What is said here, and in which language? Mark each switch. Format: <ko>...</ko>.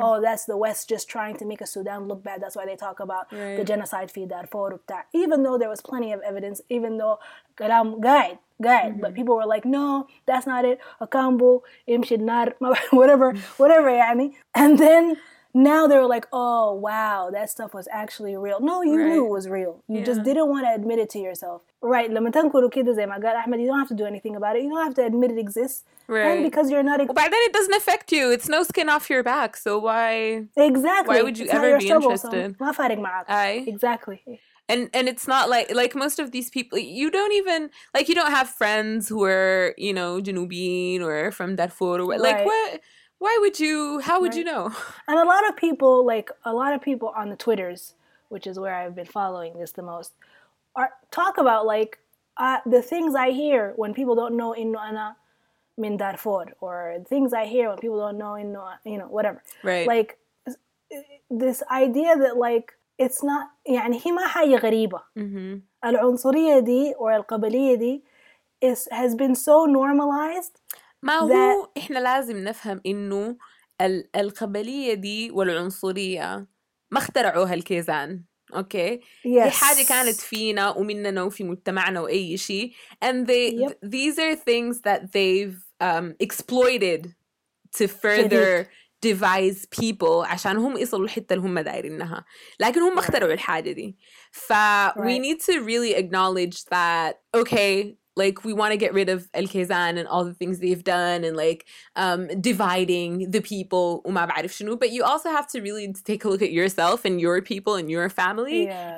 <en>Oh, that's the West just trying to make a Sudan look bad. That's why they talk about right. the genocide</en> <ar>في Darfur وبتاع.</ar> <en>Even though there was plenty of evidence, even though</en> <ar>كلام قاعد قاعد,</ar> <en>mm-hmm. but people were like, no, that's not it.</en> <ar>أكامبو يمشي النار,</ar> <en>whatever, whatever</en> <ar>يعني.</ar> <en>And then now they were like, oh wow, that stuff was actually real. No, you right. knew it was real. You yeah. just didn't want to admit it to yourself. Right,</en> <ar>لما تنكروا كده زي ما قال أحمد,</ar> <en>you don't have to do anything about it. You don't have to admit it exists. Right. And because you're not... Well, by then it doesn't affect you. It's no skin off your back. So why... Exactly. Why would you it's ever be trouble, interested? So</en> <ar>ما فارق معك.</ar> <en>I... Exactly. And it's not like, like most of these people, you don't even, like you don't have friends who are, you know, Janubin or from Darfur. Or, like right. what... Why would you, how would right. you know? And a lot of people, like a lot of people on the Twitters, which is where I've been following this the most, are talk about like the things I hear when people don't know</en> <ar>إنو أنا من Darfur,</ar> <en>or things I hear when people don't know</en> <ar>إنو,</ar> <en>you know, whatever. Right. Like this idea that like it's not,</en> <ar>يعني هي ما حاجة غريبة.</ar> <en>Mm-hmm.</en> <ar>العنصرية دي</ar> <en>or</en> <ar>القبلية دي</ar> <en>is, has been so normalized.</en> <ar>ما هو</ar> <en>that...</en> <ar>إحنا لازم نفهم إنه القبلية دي والعنصرية ما اخترعوها الكيزان, أوكي؟</ar> <en>okay. yes.</en> <ar>هي حاجة كانت فينا ومننا وفي مجتمعنا وأي شيء,</ar> <en>and they</en> <ar>yep.</ar> <en>these are things that they've exploited to further</en> <ar>شديد.</ar> <en>Devise people</en> <ar>عشان هم يصلوا الحتة اللي هم دايرينها, لكن هم</ar> <en>right.</en> <ar>اخترعوا الحاجة دي. ف</ar> <en>right. we need to really acknowledge that, okay, like we want to get rid of الكيزان and all the things they've done and like dividing the people</en> <ar>وما بعرف شنو,</ar> <en>but you also have to really take a look at yourself and your people and your family yes.</en>